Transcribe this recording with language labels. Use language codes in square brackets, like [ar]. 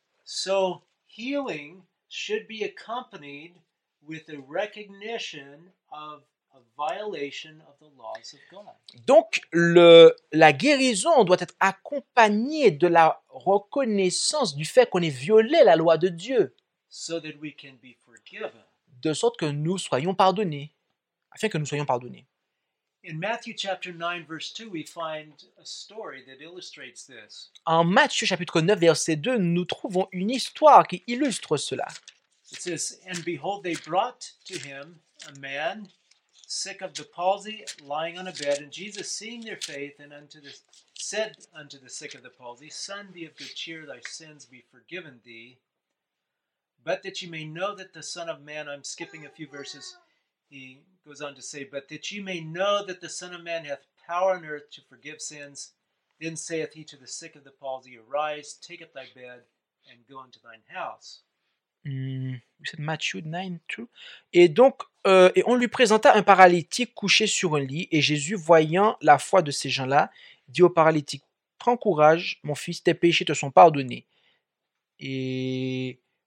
[en] So healing should be accompanied with a recognition of a violation of the laws of God. [fr] Donc, la guérison doit être accompagnée de la reconnaissance du fait qu'on ait violé la loi de Dieu. [en] So that we can be forgiven. [fr] De sorte que nous soyons pardonnés. Afin que nous soyons pardonnés. [en] In Matthew chapter 9, verse 2, we find a story that illustrates this. [fr] En Matthieu chapitre 9, verset 2, nous trouvons une histoire qui illustre cela. [en] It says, and behold, they brought to him a man sick of the palsy, lying on a bed, and Jesus, seeing their faith, and said unto the sick of the palsy, Son, be of good cheer, thy sins be forgiven thee. But that ye may know that the Son of Man, I'm skipping a few verses, he goes on to say, but that ye may know that the Son of Man hath power on earth to forgive sins, then saith he to the sick of the palsy, Arise, take up thy bed, and go unto thine house. [fr] C'est Matthieu 9, 2. Et donc, et on lui présenta un paralytique couché sur un lit, et Jésus, voyant la foi de ces gens-là, dit au paralytique, « Prends courage, mon fils, tes péchés te sont pardonnés. » Et...